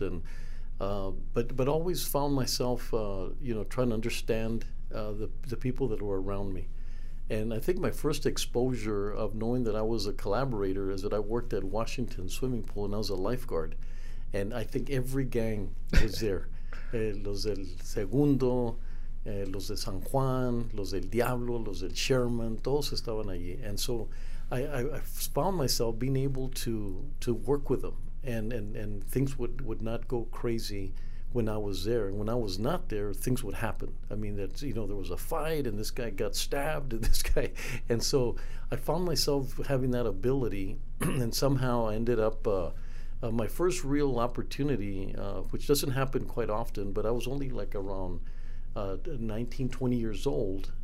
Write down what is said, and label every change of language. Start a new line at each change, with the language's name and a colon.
English: And but always found myself, you know, trying to understand the people that were around me. And I think my first exposure of knowing that I was a collaborator is that I worked at Washington Swimming Pool and I was a lifeguard. And I think every gang was there.
Spanish: Los del Segundo, los de San Juan, los del Diablo, los del Sherman, todos estaban allí.
English: And so I found myself being able to work with them. And things would not go crazy when I was there. And when I was not there, things would happen. I mean, that, you know, there was a fight and this guy got stabbed and this guy. And so I found myself having that ability and somehow I ended up, my first real opportunity, which doesn't happen quite often, but I was only like around 19, 20 years old.